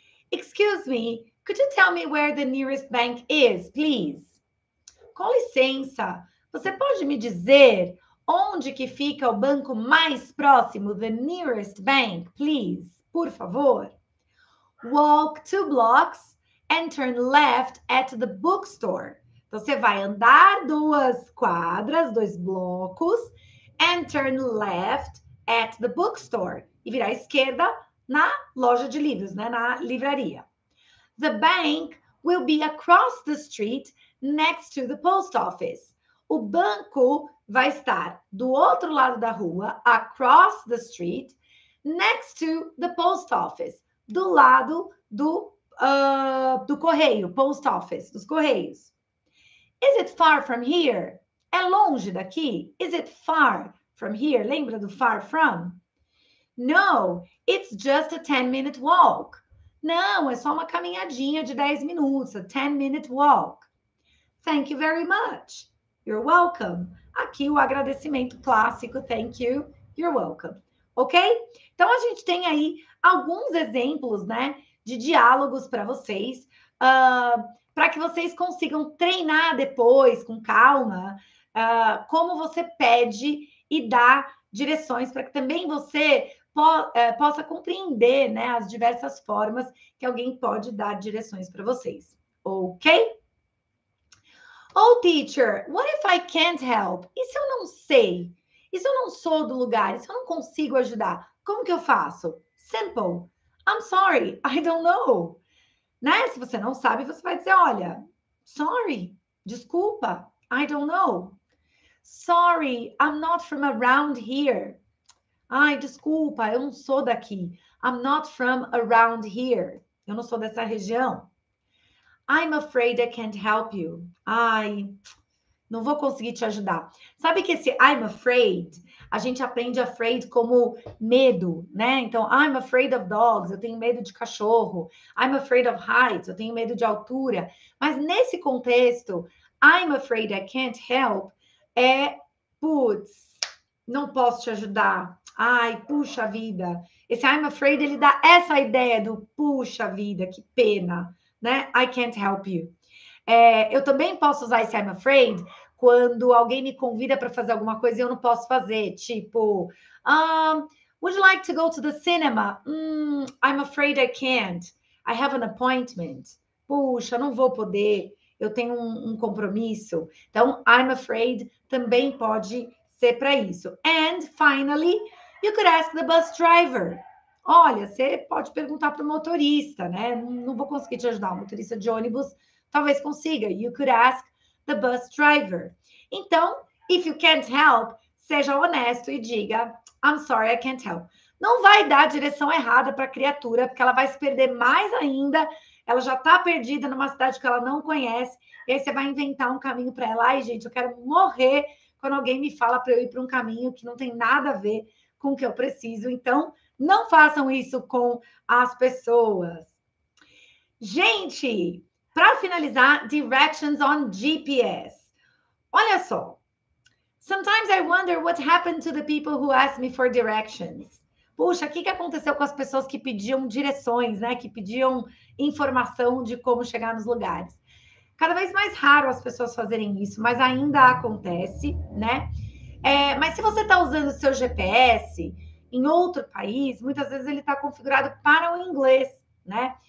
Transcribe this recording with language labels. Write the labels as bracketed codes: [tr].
[en] Excuse me, could you tell me where the nearest bank is, please? [pt] Com licença, você pode me dizer onde que fica o banco mais próximo, [en] the nearest bank, please, [pt] por favor? [en] Walk two blocks and turn left at the bookstore. [pt] Então, você vai andar duas quadras, dois blocos, [en] and turn left at the bookstore. [pt] E virar à esquerda na loja de livros, né? Na livraria. [en] The bank will be across the street next to the post office. [pt] O banco vai estar do outro lado da rua, [en] across the street, next to the post office, [pt] do lado do correio, [en] post office, [pt] dos correios. [en] Is it far from here? [pt] É longe daqui? [en] Is it far from here? [pt] Lembra do far from? [en] No, it's just a 10-minute walk. [pt] Não, é só uma caminhadinha de 10 minutos, [en] a 10-minute walk. Thank you very much. You're welcome. [pt] Aqui o agradecimento clássico, [en] thank you, you're welcome. Ok? [pt] Então, a gente tem aí alguns exemplos, né, de diálogos para vocês, para que vocês consigam treinar depois, com calma, como você pede e dá direções, para que também você possa compreender, né, as diversas formas que alguém pode dar direções para vocês. Ok? [en] Oh, teacher, what if I can't help? [pt] E se eu não sei? E se eu não sou do lugar? E se eu não consigo ajudar? Como que eu faço? [en] Simple. I'm sorry, I don't know. [pt] Né? Se você não sabe, você vai dizer, olha, [en] sorry, [pt] desculpa, [en] I don't know. Sorry, I'm not from around here. [pt] Ai, desculpa, eu não sou daqui. [en] I'm not from around here. [pt] Eu não sou dessa região. [en] I'm afraid I can't help you. [pt] Ai, não vou conseguir te ajudar. Sabe que esse [en] I'm afraid, [pt] a gente aprende afraid como medo, né? Então, [en] I'm afraid of dogs, [pt] eu tenho medo de cachorro. [en] I'm afraid of heights, [pt] eu tenho medo de altura. Mas nesse contexto, [en] I'm afraid I can't help [pt] é, putz, não posso te ajudar. Ai, puxa vida. Esse [en] I'm afraid, [pt] ele dá essa ideia do puxa vida, que pena, né? [en] I can't help you. [pt] É, eu também posso usar esse [en] I'm afraid [pt] quando alguém me convida para fazer alguma coisa e eu não posso fazer. [en] Tipo, would you like to go to the cinema? I'm afraid I can't. I have an appointment. [pt] Puxa, não vou poder. Eu tenho um compromisso. Então, [en] I'm afraid [pt] também pode ser para isso. [en] And finally, you could ask the bus driver. [pt] Olha, você pode perguntar para o motorista, né? Não vou conseguir te ajudar. O motorista de ônibus talvez consiga. [en] You could ask the bus driver. [pt] Então, [en] if you can't help, [pt] seja honesto e diga, [en] I'm sorry, I can't help. [pt] Não vai dar a direção errada para a criatura, porque ela vai se perder mais ainda. Ela já está perdida numa cidade que ela não conhece. E aí você vai inventar um caminho para ela. Ai, gente, eu quero morrer quando alguém me fala para eu ir para um caminho que não tem nada a ver com o que eu preciso. Então, não façam isso com as pessoas. Gente, para finalizar, [en] directions on GPS. [pt] Olha só. [en] Sometimes I wonder what happened to the people who asked me for directions. [pt] Puxa, o que aconteceu com as pessoas que pediam direções, né? Que pediam informação de como chegar nos lugares. Cada vez mais raro as pessoas fazerem isso, mas ainda acontece, né? É, mas se você está usando o seu GPS em outro país, muitas vezes ele está configurado para o inglês, né?